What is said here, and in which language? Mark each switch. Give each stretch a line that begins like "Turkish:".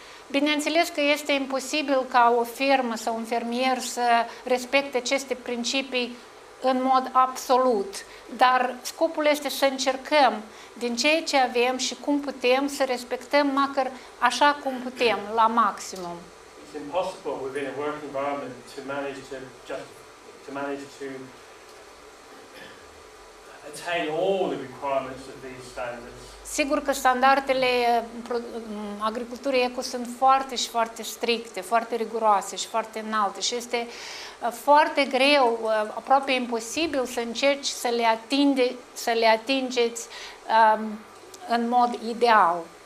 Romanian: Bineînțeles că este imposibil ca o fermă sau un fermier să respecte aceste principii în mod absolut, dar scopul este să încercăm din ceea ce avem și cum putem să respectăm măcar așa cum putem, la maximum.
English: It it's impossible within a work environment to manage to just to manage to attain all the requirements of these standards.
Romanian: Sigur că standardele agriculturii eco sunt foarte și foarte stricte, foarte riguroase și foarte înalte și este foarte greu, aproape imposibil să încerci să le atinge, să le atingeți în mod ideal.